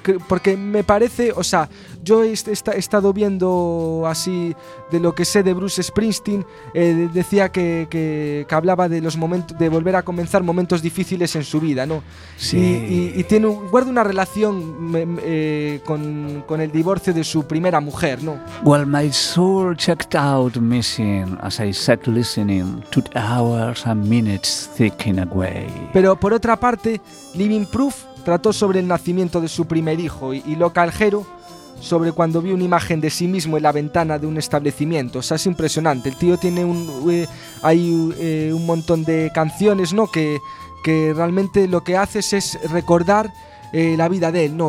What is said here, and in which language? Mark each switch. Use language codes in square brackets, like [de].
[es] Porque me parece, o sea, yo he estado viendo así de lo que sé de Bruce Springsteen, decía que hablaba de los momentos de volver a comenzar momentos difíciles en su vida, ¿no? Sí. Y tiene guarda una relación con el divorcio de su primera mujer, ¿no? [en] Well, my soul checked out missing as I sat listening to hours and minutes thinking away. [es] Pero por otra parte, Living Proof trató sobre el nacimiento de su primer hijo y Local Hero sobre cuando vio una imagen de sí mismo en la ventana de un establecimiento. O sea, es impresionante. El tío tiene un montón de canciones, ¿no? Que realmente lo que haces es recordar la vida de él, ¿no?